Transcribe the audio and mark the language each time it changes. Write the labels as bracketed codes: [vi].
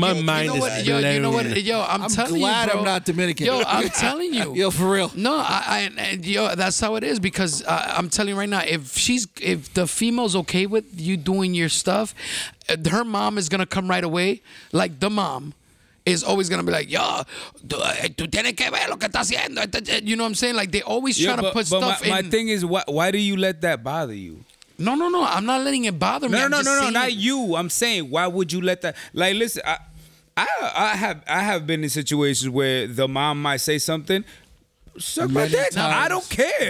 [en] My mind is blown. I'm telling you, bro. I'm not Dominican. Yo, I'm telling you. Yo, for real. No, I that's how it is because I'm telling you right now. If the female's okay with you doing your stuff, her mom is gonna come right away. Like the mom. Is always gonna be like, yo, [es] tú tienes que ver lo que estás haciendo. [en] You know what I'm saying? Like, they always try to put stuff in. My thing is, why do you let that bother you? No. I'm not letting it bother me. No, not you. I'm saying, why would you let that? Like, listen, I have been in situations where the mom might say something. Suck my dick. I don't care.